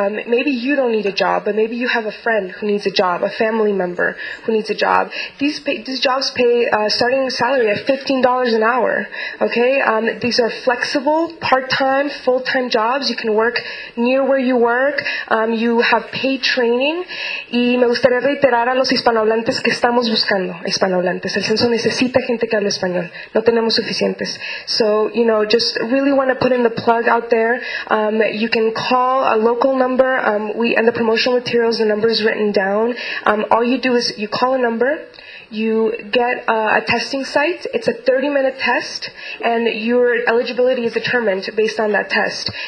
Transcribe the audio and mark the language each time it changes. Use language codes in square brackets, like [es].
[en] Maybe you don't need a job, but maybe you have a friend who needs a job, a family member who needs a job. These jobs pay a starting salary of $15 an hour, okay? These are flexible, part-time, full-time jobs. You can work near where you work. You have paid training. [es] Y me gustaría reiterar a los hispanohablantes que estamos buscando hispanohablantes. El censo necesita gente que hable español. No tenemos suficientes. [en] So, just really want to put in the plug out there. You can call a local number. And the promotional materials, the number is written down. All you do is you call a number. You get a testing site. It's a 30-minute test, and your eligibility is determined based on that test.